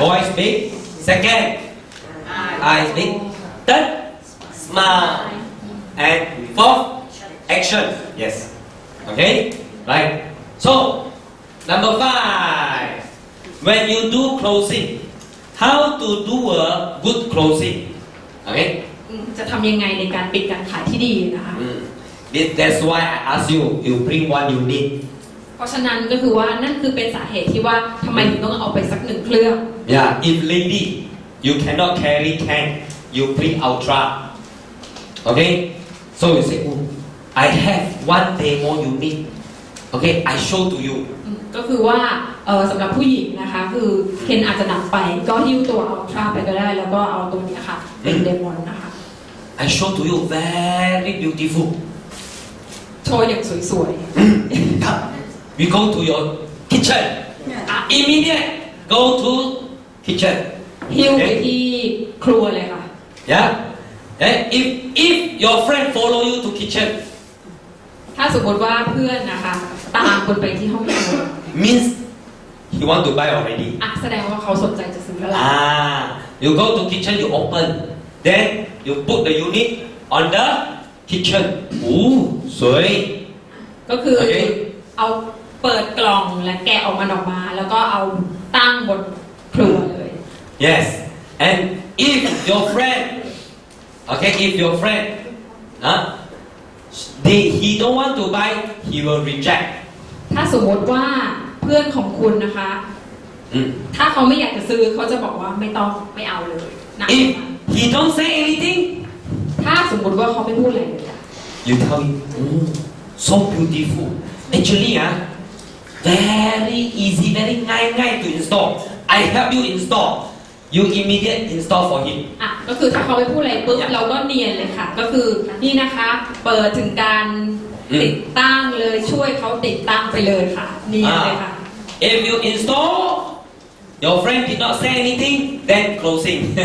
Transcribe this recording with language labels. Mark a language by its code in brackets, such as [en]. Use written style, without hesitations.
[en] voice big second eyes big third smile and fourth action yes okay right so number 5 when you do closing how to do a good closing okay [th] จะทำยังไงในการปิดการขายที่ดีนะคะ [en] that's why I ask you bring one unit [th] เพราะฉะนั้นก็คือว่านั่นคือเป็นสาเหตุที่ว่าทำไมถึงต้องเอาไปสักหนึ่งเครื่อง [en] Yeah, if lady you cannot carry can you bring ultra okay so you say I have one demo unit okay I show to you [th] ก็คือว่าสำหรับผู้หญิงนะคะคือเคนอาจจะหนักไปก็หิ้วตัว ultra ไปก็ได้แล้วก็เอาตัวนี้ค่ะเป็นเดโมนะคะ [en] I show to you very beautiful [th] โชว์อย่างสวย [en] We go to your kitchen. Immediate, go to kitchen. [th] Hill ไปที่ครัวเลยค่ะ [en] Yeah. And if your friend follow you to kitchen. [th] ถ้าสมมติว่าเพื่อนนะคะตามคุณไปที่ห้องครัว [en] Means he want to buy already. [th] อ่ะแสดงว่าเขาสนใจจะซื้อแล้วล่ ะ [en] You go to kitchen, you open. Then you put the unit on the kitchen. [th] Ooh, สวย ก็คือเอาเปิดกล่องและแกะออกมันออกมาแล้วก็เอาตั้งบนครัวเลย [en] Yes and if your friend okay if your friend he don't want to buy he will reject [th] ถ้าสมมติว่าเพื่อนของคุณนะคะถ้าเขาไม่อยากจะซื้อเขาจะบอกว่าไม่ต้องไม่เอาเลย [en] If he don't say anything [th] ถ้าสมมติว่าเขาไม่พูดอะไรเลย [en] You tell me so beautifulActually, very easy, very ง่ายๆ to install. I help you install. you immediate install for him [th] อ่ะก็คือถ้าเขาไปพูดอะไรปุ๊บ yeah. เราก็เนียนเลยค่ะก็คือนี่นะคะเปิดถึงการติดตั้งเลยช่วยเขาติดตั้งไปเลยค่ะเนียนเลยค่ะ [en] if you installYour friend did not say anything, then closing.